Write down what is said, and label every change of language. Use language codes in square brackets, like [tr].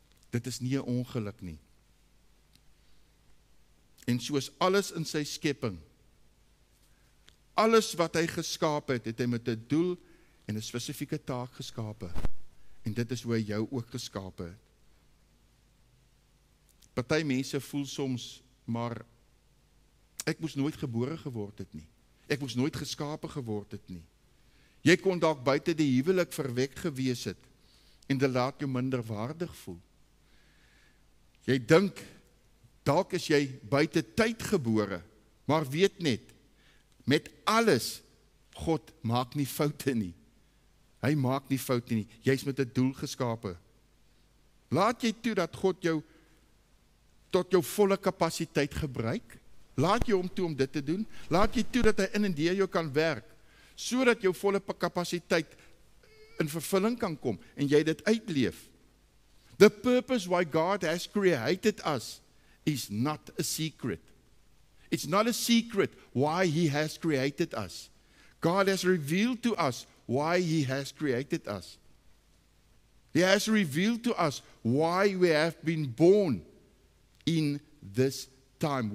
[af] Dit is nie 'n ongeluk nie. En soos alles in sy skepping, alles wat hy geskape het, het hy met 'n doel en 'n spesifieke taak geskape. En dit is hoe hy jou ook geskape het. Party mense voel soms, maar ek moes nooit gebore geword het nie. Ek moes nooit geskape geword het nie. Jy kon dalk buite die huwelik verwek gewees het en dit laat jou minder waardig voel. Jy dink, dalk is jy buite tyd gebore, maar weet net, met alles, God maak nie foute nie. Hy maak nie foute nie. Jy is met 'n doel geskape. Laat jy toe dat God jou tot jou volle kapasiteit gebruik. Laat jy hom toe om dit te doen. Laat jy toe dat hy in en deur jou kan werk, sodat jou volle kapasiteit in vervulling kan kom en jy dit uitleef. [en] The purpose why God has created us is not a secret. It's not a secret why he has created us. God has revealed to us why he has created us. He has revealed to us why we have been born in this time.